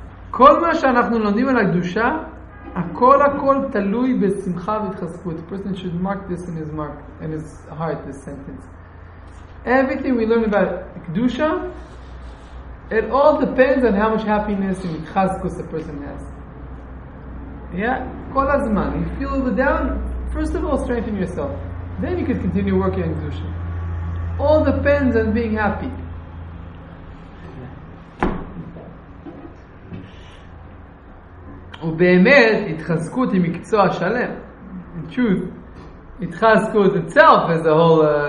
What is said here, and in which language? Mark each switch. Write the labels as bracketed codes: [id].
[he] כל מה שאנחנו לומדים על הקדושה, הכל הכל תלוי בשמחה והתחזקות. [en] The person should mark this in his mark, in his heart, this sentence. Everything we learn about kedusha, it all depends on how much happiness and התחזקות the person has. Yeah, [he] כל הזמן. [en] You feel the down, first of all, strengthen yourself. Then you can continue working on kedusha. All depends on being happy. [he] ובאמת התחזקות היא מקצוע שלם. [en] In truth, התחזקות itself is a whole